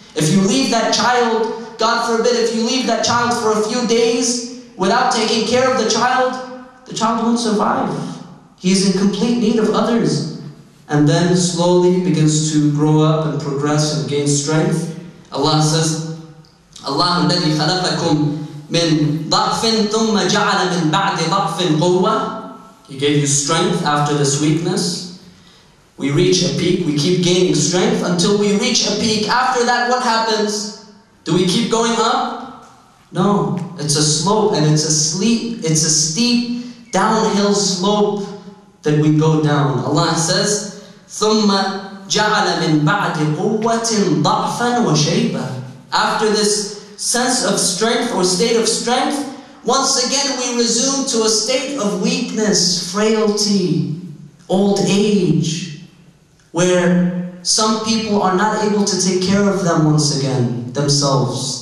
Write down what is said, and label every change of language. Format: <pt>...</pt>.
<en>If you leave that child, God forbid, if you leave that child for a few days without taking care of the child won't survive. He is in complete need of others. And then slowly begins to grow up and progress and gain strength. Allah says,</en> <ar>Allah الذي خلقكم من ضعف ثم جعل من بعد ضعف قوة</ar> <en>He gave you strength after this weakness. We reach a peak, we keep gaining strength until we reach a peak. After that, what happens? Do we keep going up? No, it's a slope and it's a steep downhill slope that we go down. Allah says,</en> <ar>ثُمَّ جَعَلَ مِن بَعْدِ قُوَّةٍ ضَعْفًا وَشَيْبًا.</ar> <en>After this sense of strength or state of strength, once again we resume to a state of weakness, frailty, old age, where some people are not able to take care of them once again, themselves.</en>